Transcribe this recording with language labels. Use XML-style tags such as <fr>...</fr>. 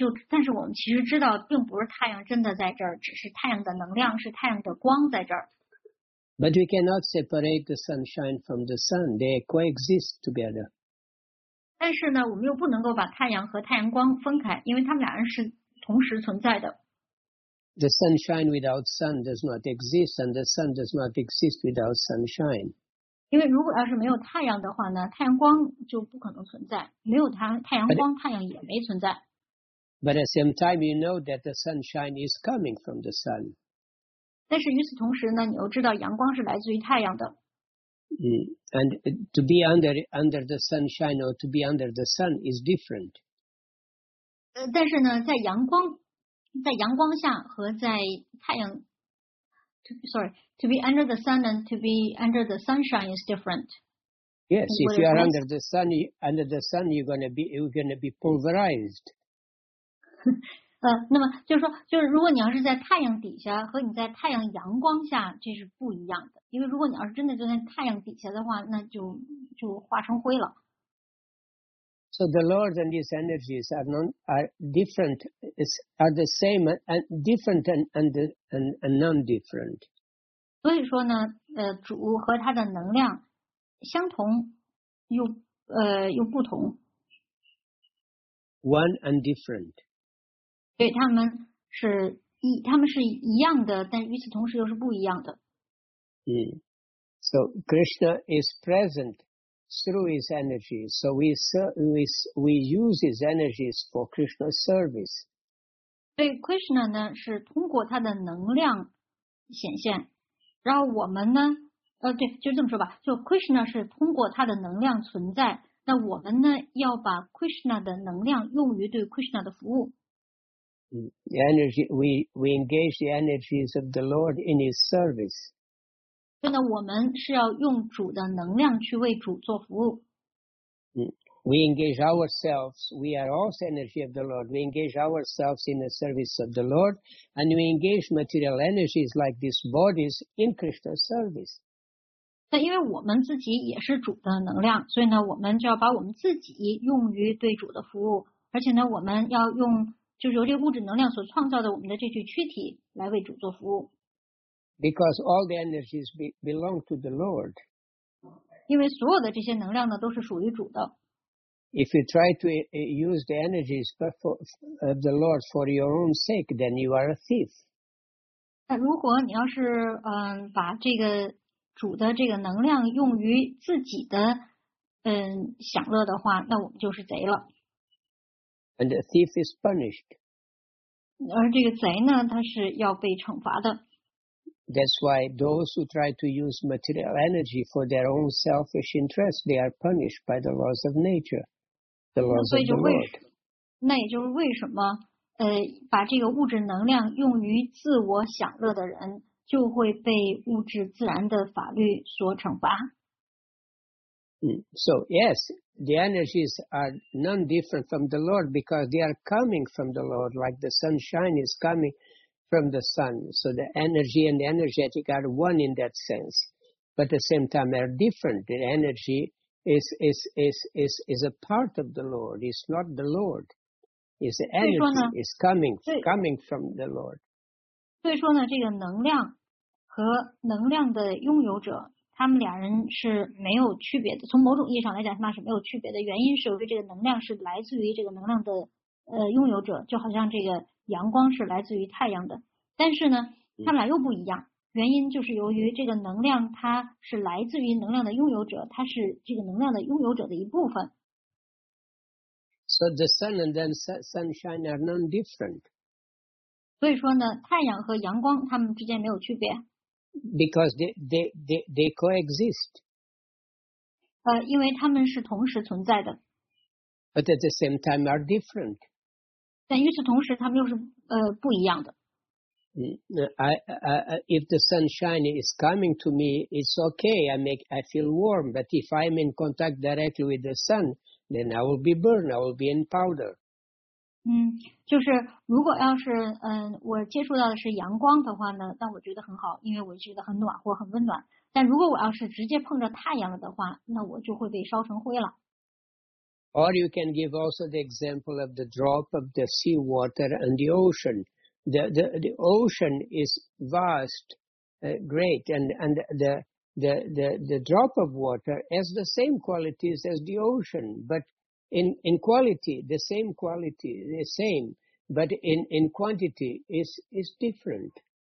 <zh>但是我们其实知道，并不是太阳真的在这儿，只是太阳的能量，是太阳的光在这儿。</zh> <en>But we cannot separate the sunshine from the sun. They coexist together.</en> <zh>但是呢，我们又不能够把太阳和太阳光分开，因为他们俩人是同时存在的。</zh> <en>The sunshine without sun does not exist, and the sun does not exist without sunshine.</en> <zh>因为如果要是没有太阳的话呢，太阳光就不可能存在，没有太阳光，太阳也没存在。</zh> <en>But at the same time, you know that the sunshine is coming from the sun.</en> <zh>但是与此同时呢，你又知道阳光是来自于太阳的。</zh> <en>And to be under the sunshine or to be under the sun is different.</en> <zh>但是呢，在阳光下和在太阳</zh> <en>to be under the sun and to be under the sunshine is different. Yes, if you are under the sun, you're gonna be pulverized.</en> <zh>那么就是说，就是如果你要是在太阳底下和你在太阳阳光下，这是不一样的。因为如果你要是真的就在太阳底下的话，那就化成灰了。</zh> <en>So the Lord and His energies are not are different, are the same and different and non-different.</en> <zh>所以说呢，主和他的能量相同又又不同。</zh> <en>One and different.</en> <zh>对，他们是一样的，但与此同时又是不一样的。</zh> <en>So Krishna is present through his energy, so we use his energies for Krishna's service.</en> <zh>对 ，Krishna 呢是通过他的能量显现，然后我们呢，对，就这么说吧，就 Krishna 是通过他的能量存在，那我们呢要把 Krishna 的能量用于对 Krishna 的服务。</zh> <en>The energy we engage the energies of the Lord in his service.</en> <zh>真的，我们是要用主的能量去为主做服务。</zh> <en>We engage ourselves. We are also energy of the Lord. We engage ourselves in the service of the Lord, and we engage material energies like these bodies in Krishna's service.</en> <zh>那因为我们自己也是主的能量，所以呢，我们就要把我们自己用于对主的服务，而且呢，我们要用就是由这物质能量所创造的我们的这具躯体来为主做服务。</zh> <en>Because all the energies belong to the Lord.</en> <zh>因为所有的这些能量呢都是属于主的。</zh> <en>If you try to use the energies of the Lord for your own sake, then you are a thief.</en> <zh>那如果你要是把这个主的这个能量用于自己的享乐的话，那我们就是贼了。</zh> <en>And a thief is punished.</en> <zh>而这个贼呢，他是要被惩罚的。</zh> <en>That's why those who try to use material energy for their own selfish interests, they are punished by the laws of nature, the laws of the Lord.</en> <zh>那也就是为什么，把这个物质能量用于自我享乐的人，就会被物质自然的法律所惩罚。</zh> <en>So yes, the energies are none different from the Lord because they are coming from the Lord, like the sunshine is coming. From the sun, so the energy and the energetic are one in that sense, but at the same time are different. The energy is a part of the Lord. It's not the Lord. It's the energy is coming from the Lord.</en> <zh>所以说呢，这个能量和能量的拥有者，他们俩人是没有区别的。从某种意义上来讲，他们是没有区别的。原因是因为这个能量是来自于这个能量的拥有者，就好像这个。阳光是来自于太阳的，但是呢，他们俩又不一样。原因就是由于这个能量，它是来自于能量的拥有者，它是这个能量的拥有者的一部分。</zh> <en>So the sun and then sunshine are none different.</en> <zh>所以说呢，太阳和阳光它们之间没有区别。</zh> <en>Because they coexist.</en> <zh>因为它们是同时存在的。</zh> <en>But at the same time are different.</en> <zh>但与此同时，他们又是不一样的。</zh> <en>If the sunshine is coming to me, it's okay. I feel warm. But if I'm in contact directly with the sun, then I will be burned. I will be in powder.</en> <zh>就是如果要是我接触到的是阳光的话呢，那我觉得很好，因为我觉得很暖和、很温暖。但如果我要是直接碰着太阳了的话，那我就会被烧成灰了。</zh> <en>Or you can give also the example of the drop of the sea water and the ocean. The ocean is vast, great, and the drop of water has the same qualities as the ocean, but in quality, the same quality, the same, but in quantity is different.</en>